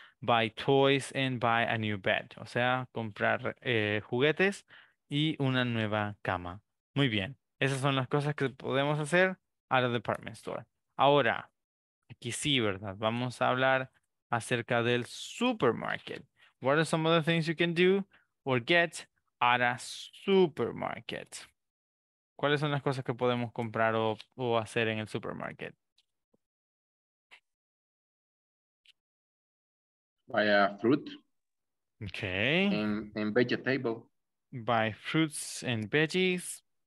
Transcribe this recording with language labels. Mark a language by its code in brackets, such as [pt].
[en] Buy toys and buy a new bed, [es] o sea, comprar juguetes y una nueva cama. Muy bien, esas son las cosas que podemos hacer a la department store. Ahora, aquí sí, ¿verdad?, vamos a hablar acerca del supermarket. [en] What are some of the things you can do or get at a supermarket? [es] ¿Cuáles son las cosas que podemos comprar o hacer en el supermarket? [en] Buy a fruit. Okay. And vegetable. Buy fruits and veggies.